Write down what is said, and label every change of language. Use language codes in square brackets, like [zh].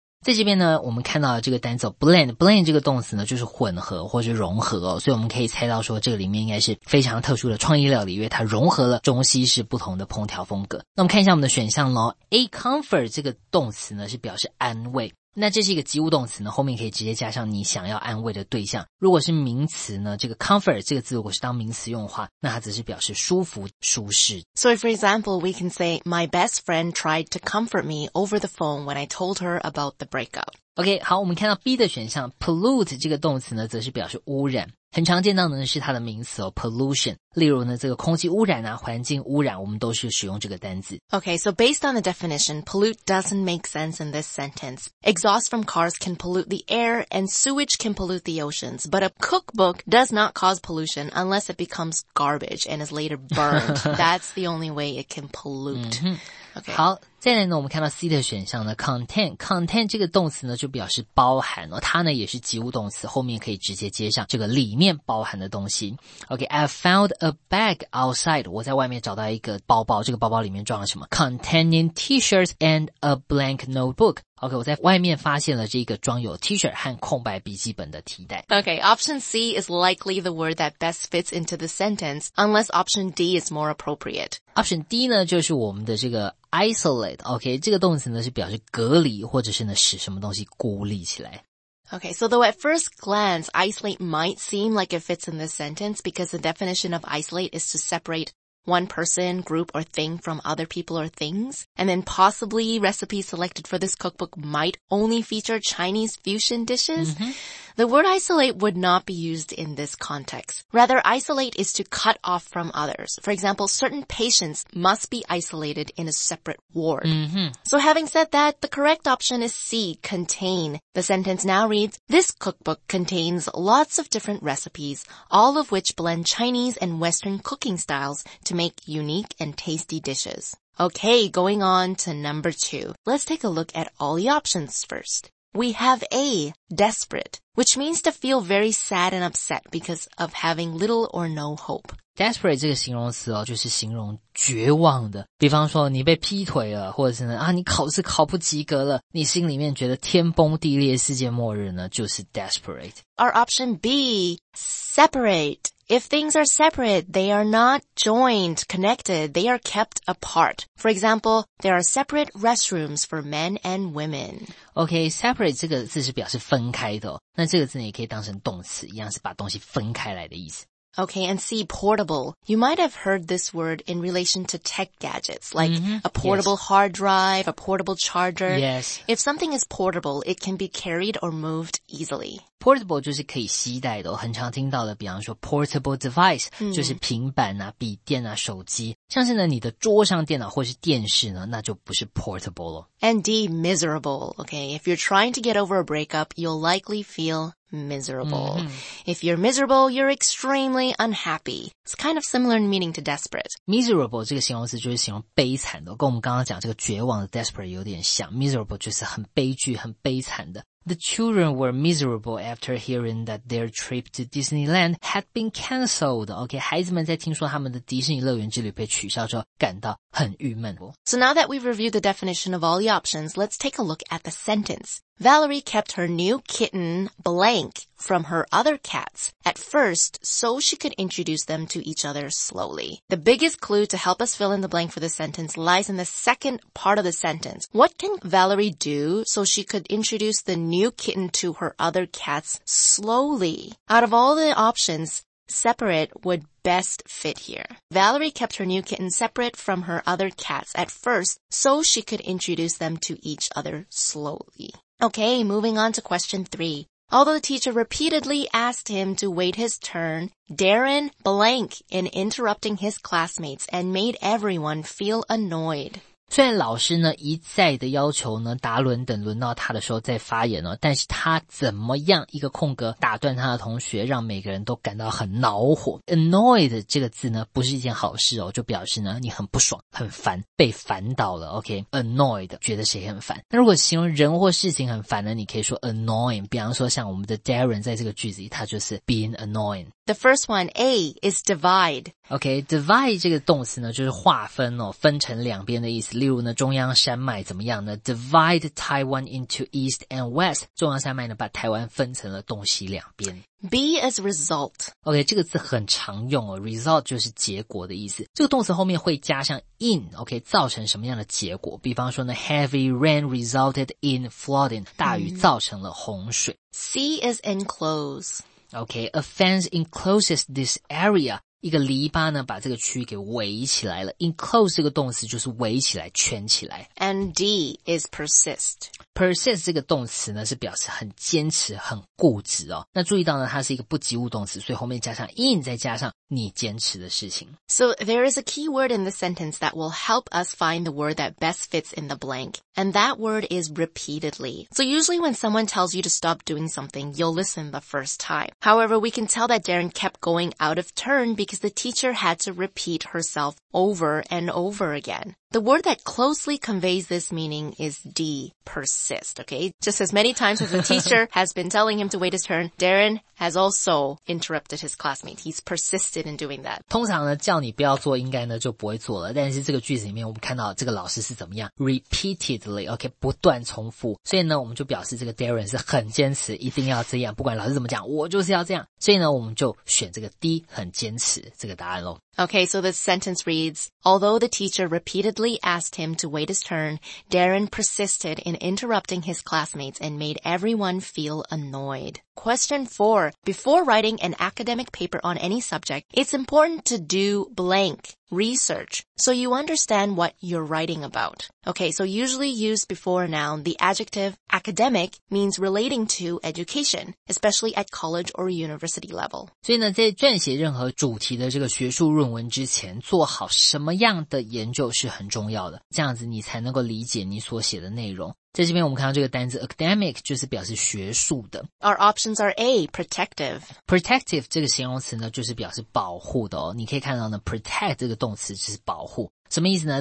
[zh] 在这边呢，我们看到这个单词 blend，blend这个动词呢，就是混合或者融合哦，所以我们可以猜到说，这个里面应该是非常特殊的创意料理，因为它融合了中西式不同的烹调风格。那我们看一下我们的选项喽，A comfort 这个动词呢是表示安慰，那这是一个及物动词呢，后面可以直接加上你想要安慰的对象。如果是名词呢，这个 comfort 这个字如果是当名词用的话，那它只是表示舒服、舒适。 [en] So for example, we can say my best friend tried to comfort me over the phone when I told her about the breakup. [zh] OK, 好，我们看到 B 的选项 pollute 这个动词呢，则是表示污染，很常见到呢是它的名词哦 pollution. 例如呢，这个空气污染啊，环境污染，我们都是使用这个单字。 [en] OK, so based on the definition, pollute doesn't make sense in this sentence. Exhaust from cars can pollute the air, and sewage can pollute the oceans. But a cookbook does not cause pollution unless it becomes garbage and is later burned. That's the only way it can pollute. Okay. [zh] 好，再来呢，我们看到 C 的选项呢 ，content 这个动词呢就表示包含哦，它呢也是及物动词，后面可以直接接上这个里面包含的东西。 [en] Okay, I found a bag outside. [zh] 我在外面找到一个包包，这个包包里面装了什么 ？ [en] Containing T-shirts and a blank notebook. [zh] OK, 我在外面发现了这个装有 T-shirt 和空白笔记本的提袋。 [en] OK, option C is likely the word that best fits into the sentence, unless option D is more appropriate. [zh] Option D 呢，就是我们的这个 isolate. OK, 这个动词呢是表示隔离或者是呢使什么东西孤立起来。 [en] OK, so though at first glance, isolate might seem like it fits in this sentence because the definition of isolate is to separate one person, group, or thing from other people or things. And then possibly recipes selected for this cookbook might only feature Chinese fusion dishes. Mm-hmm. The word isolate would not be used in this context. Rather, isolate is to cut off from others. For example, certain patients must be isolated in a separate ward. Mm-hmm. So having said that, the correct option is C, contain. The sentence now reads, this cookbook contains lots of different recipes, all of which blend Chinese and Western cooking styles to make unique and tasty dishes. Okay, going on to number two. Let's take a look at all the options first. We have A, desperate, which means to feel very sad and upset because of having little or no hope. [zh] desperate 这个形容词哦，就是形容绝望的。比方说你被劈腿了，或者是啊你考试考不及格了，你心里面觉得天崩地裂，世界末日呢，就是 desperate。 [en] Our option B, separate. If things are separate, they are not joined, connected. They are kept apart. For example, there are separate restrooms for men and women. [zh] Okay, separate 这个字是表示分开的哦。那这个字也可以当成动词，一样是把东西分开来的意思。 [en] Okay, and C, portable. You might have heard this word in relation to tech gadgets, like a portable hard drive, a portable charger. Yes. If something is portable, it can be carried or moved easily. [zh] Portable 就是可以携带的，很常听到的，比方说 portable device, 就是平板啊、笔电啊、手机。像是呢，你的桌上电脑或是电视呢，那就不是 portable 了。 [en] And D, miserable. Okay, if you're trying to get over a breakup, you'll likely feel... miserable. If you're miserable, you're extremely unhappy. It's kind of similar in meaning to desperate. [zh] Miserable 这个形容词就是形容悲惨的，跟我们刚刚讲这个绝望的 desperate 有点像。 Miserable 就是很悲剧、很悲惨的。 [en] The children were miserable after hearing that their trip to Disneyland had been cancelled. [zh] Okay, 孩子们在听说他们的迪士尼乐园之旅被取消之后，感到很郁闷。 [en] So now that we've reviewed the definition of all the options, let's take a look at the sentence. Valerie kept her new kitten, Blank, from her other cats at first so she could introduce them to each other slowly. The biggest clue to help us fill in the blank for the sentence lies in the second part of the sentence. What can Valerie do so she could introduce the new kitten to her other cats slowly? Out of all the options, separate would best fit here. Valerie kept her new kitten separate from her other cats at first so she could introduce them to each other slowly. Okay, moving on to question three. Although the teacher repeatedly asked him to wait his turn, Darren blank in interrupting his classmates and made everyone feel annoyed. [zh] 虽然老师呢一再的要求呢达伦等轮到他的时候再发言哦，但是他怎么样一个空格打断他的同学，让每个人都感到很恼火。 Annoyed 这个字呢不是一件好事哦，就表示呢你很不爽、很烦，被烦到了。 OK, annoyed 觉得谁很烦。那如果形容人或事情很烦呢，你可以说 annoying。比方说像我们的 Darren 在这个句子里，他就是 [en] being annoying。 The first one A is divide. [zh] Okay, divide 这个动词呢就是划分哦，分成两边的意思。例如呢中央山脉怎么样呢 [en] Divide Taiwan into East and West [zh] 中央山脉呢把台湾分成了东西两边 [en] B as result [zh] OK 这个字很常用哦 Result 就是结果的意思这个动词后面会加上 in OK 造成什么样的结果比方说呢 [en] Heavy rain resulted in flooding [zh] 大雨造成了洪水 [en] C as enclose [zh] OK [en] A fence encloses this area [zh] 一个篱笆呢把这个区域给围起来了 enclose 这个动词就是围起来圈起来 [en] and D is persist [zh] persist 这个动词呢是表示很坚持很固执哦那注意到呢它是一个不及物动词所以后面加上 in 再加上你坚持的事情 [en] so there is a key word in the sentence that will help us find the word that best fits in the blank and that word is repeatedly so usually when someone tells you to stop doing something you'll listen the first time however we can tell that Darren kept going out of turn because the teacher had to repeat herself over and over again. The word that closely conveys this meaning is D, persist, okay? Just as many times as the teacher has been telling him to wait his turn, Darren has also interrupted his classmate. He's persisted in doing that. [zh] 通常呢叫你不要做应该呢就不会做了但是这个句子里面我们看到这个老师是怎么样 repeatedly, okay, 不断重复所以呢我们就表示这个 Darren 是很坚持一定要这样不管老师怎么讲我就是要这样所以呢我们就选这个 D, 很坚持这个答案咯。 [en] Okay, so the sentence reads, although the teacher repeatedly asked him to wait his turn, Darren persisted in interrupting his classmates and made everyone feel annoyed. Question 4. Before writing an academic paper on any subject, it's important to do blank research so you understand what you're writing about. Okay, so usually used before a noun, the adjective academic means relating to education, especially at college or university level. [zh] 所以呢，在撰写任何主题的这个学术论文之前，做好什么样的研究是很重要的，这样子你才能够理解你所写的内容。在这边我们看到这个单字 academic 就是表示学术的 [en] Our options are A, protective [zh] Protective 这个形容词呢就是表示保护的哦你可以看到呢 protect 这个动词就是保护什么意思呢？